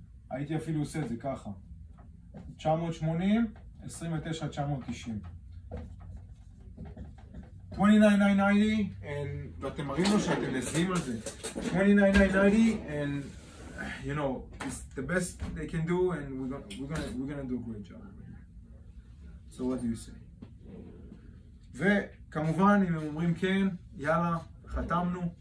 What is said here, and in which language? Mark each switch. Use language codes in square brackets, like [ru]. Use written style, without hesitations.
[he] הייתי אפילו עושה את זה ככה. 980, 29,990. 29,990, ואתם מראים לו שאתם נזים על זה. [en] 29,990, and you know, it's the best they can do, and we're gonna do a great job. So what do you say? [he] וכמובן, אם הם אומרים כן, יאללה, חתמנו.